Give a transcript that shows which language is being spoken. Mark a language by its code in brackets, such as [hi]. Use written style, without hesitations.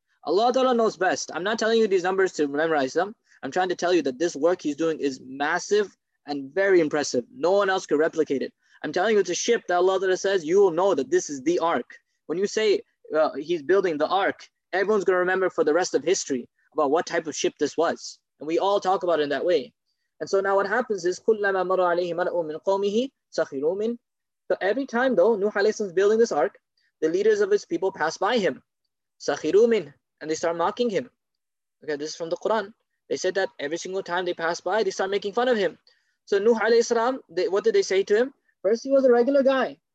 [en] Allah Ta'ala knows best. I'm not telling you these numbers to memorize them. I'm trying to tell you that this work he's doing is massive and very impressive. No one else could replicate it. I'm telling you it's a ship that Allah Ta'ala says, you will know that this is the ark. When you say he's building the ark, everyone's going to remember for the rest of history about what type of ship this was. And we all talk about it in that way. And so now what happens is, [ar] كُلَّمَا مَرَّ عَلَيْهِ مَرَأُ مِنْ قَوْمِهِ سَخِرُوا مِنْ. [en] So every time though, Nuh alayhi salam is building this ark, the leaders of his people pass by him. [ar] سَخِرُوا مِنْ. [en] And they start mocking him. Okay, this is from the Quran. They said that every single time they pass by, they start making fun of him. So Nuh alayhi salam, what did they say to him? First he was a regular guy.